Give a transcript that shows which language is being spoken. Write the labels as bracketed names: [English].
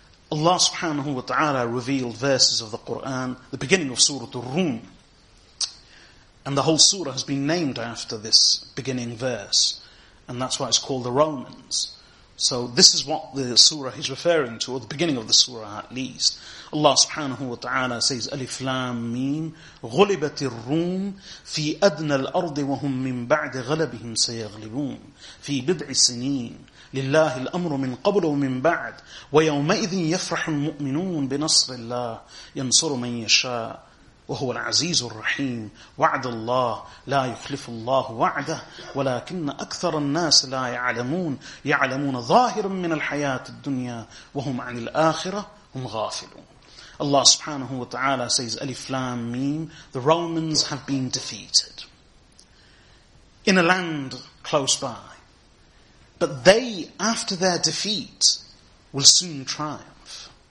[English] Allah subhanahu wa ta'ala revealed verses of the Qur'an, the beginning of Surah Ar-Rum. And the whole surah has been named after this beginning verse. And that's why it's called the Romans. So this is what the surah is referring to, or the beginning of the surah at least. Allah subhanahu wa ta'ala says, Alif Lam Mim, [Arabic] غُلِبَتِ الرُّومِ فِي أَدْنَى الْأَرْضِ وَهُمْ مِنْ بَعْدِ غَلَبِهِمْ سَيَغْلِبُونَ فِي بِضْعِ سِنِينَ لله الأمر من قبل ومن بعد ويومئذ يفرح المؤمنون بنصر الله ينصر من يشاء وهو العزيز الرحيم وعد الله لا يخلف الله وعده ولكن أكثر الناس لا يعلمون يعلمون ظاهرا من الحياة الدنيا وهم عن الآخرة هم غافلون. [English] Allah subhanahu wa ta'ala says, Alif Lam Mim, the Romans have been defeated in a land close by. But they, after their defeat, will soon triumph.